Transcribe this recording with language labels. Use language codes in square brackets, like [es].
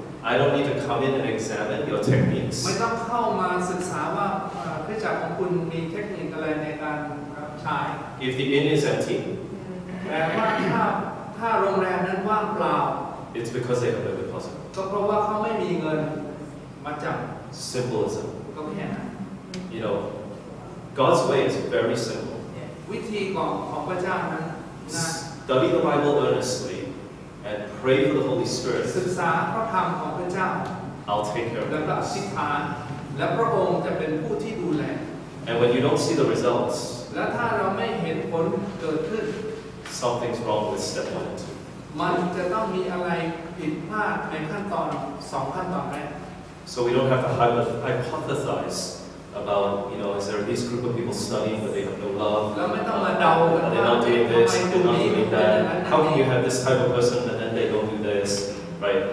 [en] I don't need to come in and examine your techniques. [th] ไม่ต้องเข้ามาศึกษาว่าพระจักรของคุณมีเทคนิคอะไรในการใช้ [en] If the inn is empty. [th] แต่ว่าถ้าโรงแรมนั้นว่างเปล่า [en] It's because they have no deposit. [th] ก็เพราะว่าเขาไม่มีเงินมาจ่าย [en] Symbolism. [th] ก็แค่นั้น [en] You know, God's way is very simple. [th] วิธีของพระเจ้านั้น [en] Study the Bible earnestly. And pray for the Holy Spirit. [th] ศึกษาพระธรรมของพระเจ้า [en] I'll take care of it. [th] และอธิษฐานและพระองค์จะเป็นผู้ที่ดูแล [en] And when you don't see the results, [th] และถ้าเราไม่เห็นผลเกิดขึ้น [en] something's wrong with step one. [th] มันจะต้องมีอะไรผิดพลาดในขั้นตอนสองขั้นตอนแรก [en] So we don't have to hypothesize about you know is there this group of people studying but they have no love? [th] แล้วไม่ต้องมาเด [en] าแล้ว They're not doing this. They're not doing that. How can you have this type of person and then they don't do this, right?